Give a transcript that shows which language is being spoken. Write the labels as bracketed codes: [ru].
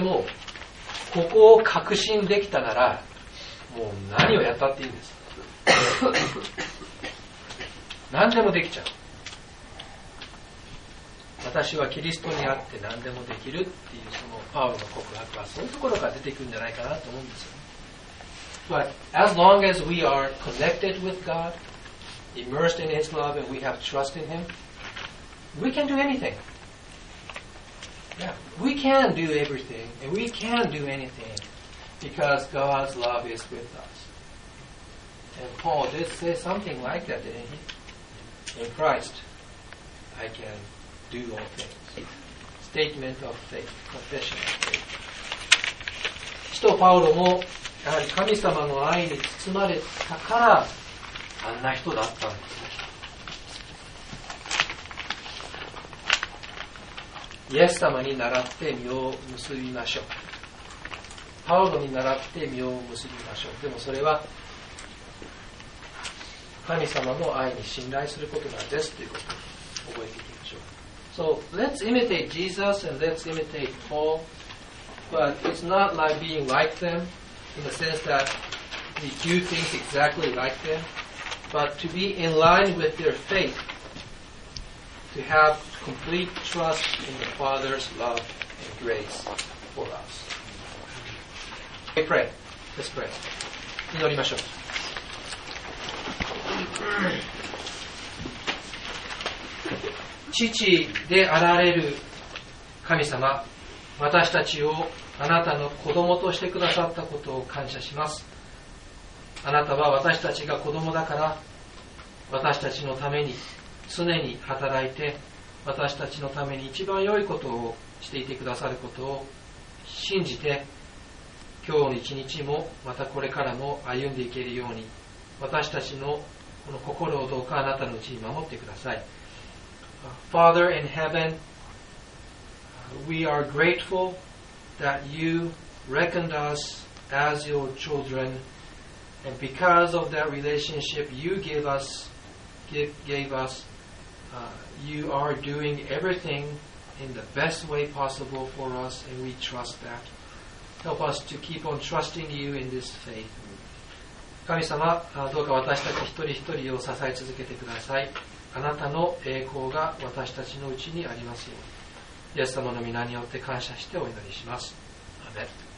[ja] でも、ここを確信できたなら、もう何をやったっていいんです。何でもできちゃう。私はキリストにあって何でもできるっていう、そのパウロの告白はそういうところから出てくるんじゃないかなと思うんですよ。 [en] But as long as we are connected with God, immersed in His love, and we have trust in Him,We can do anything. Yeah, we can do everything, and we can do anything because God's love is with us. And Paul did say something like that, didn't he? In Christ, I can do all things. Statement of faith, confession of faith. [ja] 使徒パウロもやはり神様の愛に包まれたからあんな人だったんですね。イエス様に習って実を結びましょう。パウロに習って実を結びましょう。でもそれは神様の愛に信頼することなんですということを覚えていきましょう。 [en] So let's imitate Jesus and let's imitate Paul. But it's not like being like them in the sense that we do things exactly like them, but to be in line with their faith, to have complete trust in the Father's love and grace for us. We pray. Let's pray. [ja] 祈りましょう。父であられる神様、私たちをあなたの子供としてくださったことを感謝します。あなたは私たちが子供だから私たちのために常に働いて私たちのために一番良いことをしていてくださることを信じて、今日の一日もまたこれからも歩んでいけるように私たちのこの心をどうかあなたのうちに守ってください。 [en] Father in heaven, we are grateful that you reckoned us as your children, and because of that relationship you gave us, you are doing everything in the best way possible for us, and we trust that. Help us to keep on trusting you in this faith. [ja] 神様、どうか私たち一人一人を支え続けてください。あなたの栄光が私たちのうちにありますように。イエス様の御名によって感謝してお祈りします。アメン。